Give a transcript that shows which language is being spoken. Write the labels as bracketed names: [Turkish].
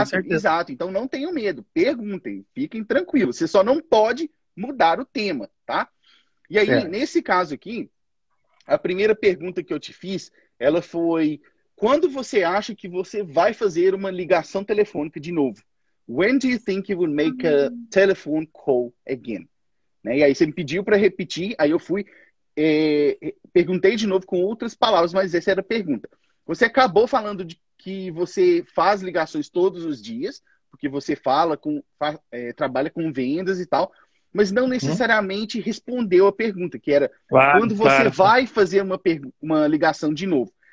[Portuguese] Exato. Então não tenham medo, perguntem, fiquem tranquilos. Você só não pode mudar o tema, tá? E aí, nesse caso aqui, a primeira pergunta que eu te fiz, ela foi... Quando você acha que você vai fazer uma ligação telefônica de novo? [English] When do you think you would make a telephone call again? [Portuguese] Né? E aí você me pediu para repetir, aí eu fui, perguntei de novo com outras palavras, mas essa era a pergunta. Você acabou falando de que você faz ligações todos os dias, porque você fala com, trabalha com vendas e tal, mas não necessariamente respondeu a pergunta, que era quando você vai fazer uma ligação de novo.